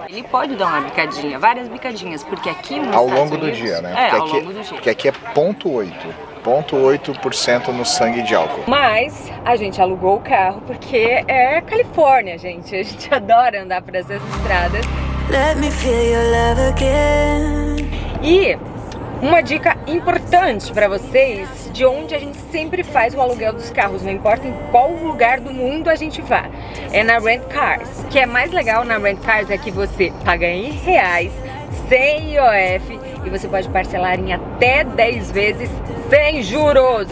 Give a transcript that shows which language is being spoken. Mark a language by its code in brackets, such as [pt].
[pt] Ele pode dar uma bicadinha, várias bicadinhas, porque aqui no ao longo do dia, né? É, ao longo do dia. Porque aqui é 0.8. 0.8% no sangue de álcool. Mas a gente alugou o carro porque é Califórnia, gente. A gente adora andar por essas estradas. [en] Let me feel your love again. [pt] E uma dica importante para vocês, de onde a gente sempre faz o aluguel dos carros, não importa em qual lugar do mundo a gente vá, é na Rent Cars. O que é mais legal na Rent Cars é que você paga em reais, sem IOF, e você pode parcelar em até 10 vezes sem juros.